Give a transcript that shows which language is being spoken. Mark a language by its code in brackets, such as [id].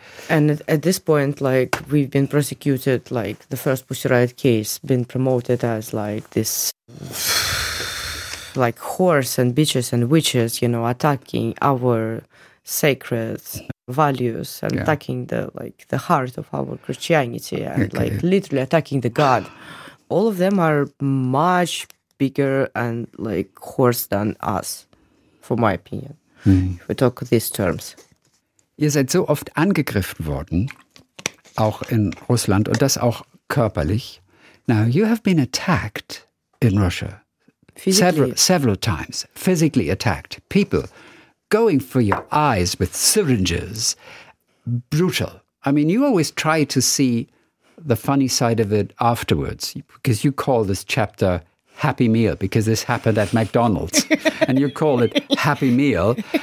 [en] And at this point, like, we've been prosecuted, like, the first Pussy Riot case, been promoted as, like, this, like, whores and bitches and witches, you know, attacking our sacred values and attacking the, like, the heart of our Christianity and, like, literally attacking the God. All of them are much bigger and, like, worse than us, for my opinion, if we talk these terms. [de] Ihr seid so oft angegriffen worden, auch in Russland, und das auch körperlich. [en] Now, you have been attacked in Russia several times, physically attacked. People going for your eyes with syringes. Brutal. I mean, you always try to see the funny side of it afterwards, because you call this chapter Happy Meal, because this happened at McDonald's, and you call it Happy Meal.